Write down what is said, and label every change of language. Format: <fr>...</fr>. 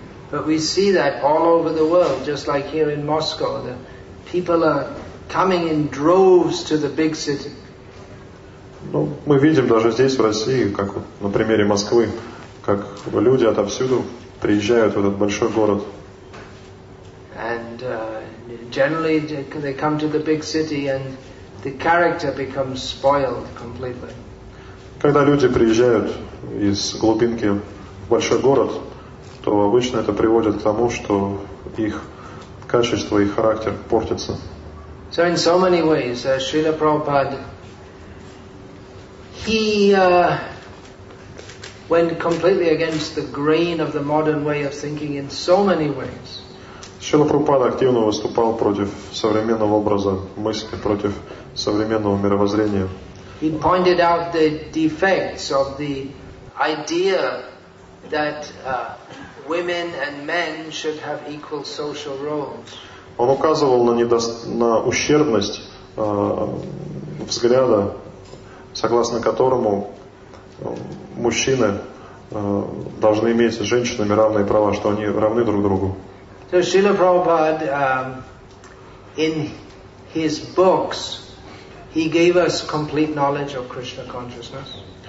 <en>But we see that all over the world, just like here in Moscow, the people are coming in droves to the big city.</en> <ru>Ну, мы видим даже здесь, в России, как вот на примере Москвы, как люди отовсюду приезжают в этот большой город.</ru> <en>And generally they come to the big city and the character becomes spoiled completely.</en> <ru>Когда люди приезжают из глубинки в большой город, то обычно это приводит к тому, что их качество, их характер портится.</ru> <en>So in so many ways, Srila Prabhupada, he went completely against the grain of the modern way of thinking in so many ways.</en> <ru>Шрила Прабхупада активно выступал против современного образа мысли, против современного мировоззрения.</ru> <en>He pointed out the defects of the idea that women and men should have equal social roles.</en> <ru>Он указывал на ущербность взгляда, согласно которому мужчины должны иметь с женщинами равные права, что они равны друг другу.</ru> <en>So Srila Prabhupada, in his books, he gave us complete knowledge of Krishna consciousness.</en>